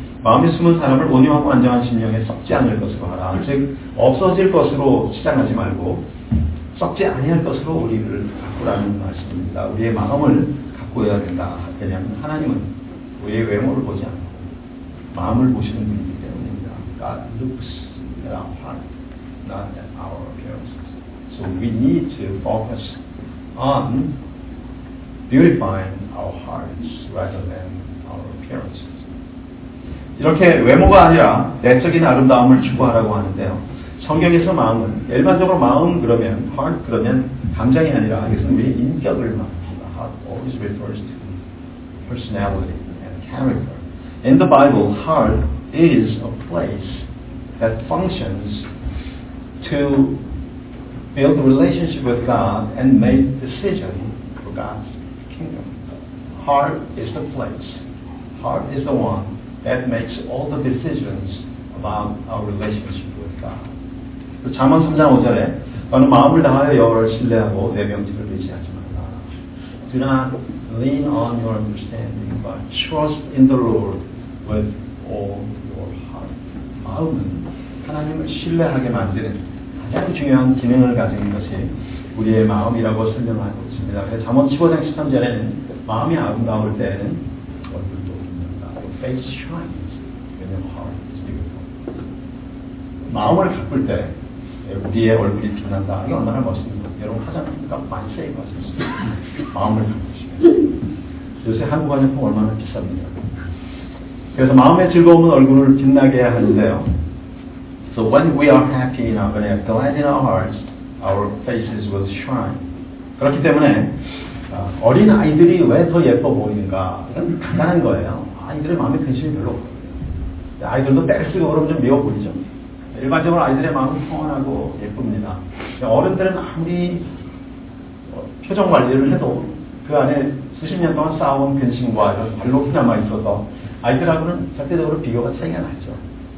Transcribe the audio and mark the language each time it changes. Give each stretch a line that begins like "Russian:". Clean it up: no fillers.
Korean: 마음에 숨은 사람을 온유하고 안정한 심령에 썩지 않을 것으로 하라. 즉 없어질 것으로 치장하지 말고 썩지 아니할 것으로 우리를 바꾸라는 말씀입니다. 우리의 마음을 바꾸어야 된다. 왜냐하면 하나님은 우리의 외모를 보지 않고 마음을 보시는 분이기 때문입니다.
English: God looks at our heart, not at our appearance. So we need to focus on beautifying our hearts rather than our appearances.
Korean: 이렇게 외모가 아니라 내적인 아름다움을 추구하라고 하는데요. 성경에서 마음은 일반적으로 마음 그러면 heart 그러면 감정이 아니라 이것은 우리의 인격을 말합니다.
English: Heart always refers to personality and character. In the Bible, heart is a place that functions to build a relationship with God and make decision for God's kingdom. Heart is the place. Heart is the one that makes all the decisions about our relationship with God.
Korean: 잠언 3장 5절에 너는 마음을 다하여 여호와를 신뢰하고 내 명철을 의지하지 말라.
English: Do not lean on your understanding, but trust in the Lord with all your heart.
Korean: 마음은 하나님을 신뢰하게 만드는 가장 중요한 기능을 가진 것이 우리의 마음이라고 설명하고 있습니다. 잠언 15장 13절에는 마음이 아름다울 때에는 얼굴도 빛난다.
English: Your face shines when your heart is beautiful.
Korean: 마음을 가꿀 때 우리의 얼굴이 빛난다. 이게 얼마나 멋있는가. 여러분 화장품값 많이 세이브 하셨어요. 마음을 가꾸시면. 요새 한국 화장품 얼마나 비쌉니다. 그래서 마음의 즐거움은 얼굴을 빛나게 하는데요.
English: So when we are happy in our body, glad in our hearts, our faces will shine.
Korean: 그렇기 때문에 어린 아이들이 왜 더 예뻐 보이는가? 이건 간단한 거예요. 아이들의 마음에 근심이 별로 없어요. 아이들도 때를 쓰고 그러면 좀 미워 보이죠. 일반적으로 아이들의 마음은 평온하고 예쁩니다. 어른들은 아무리 표정 관리를 해도 그 안에 수십 년 동안 쌓아온 근심과 이런 관록이 남아 있어서 아이들하고는 절대적으로 비교가 차이가 나죠.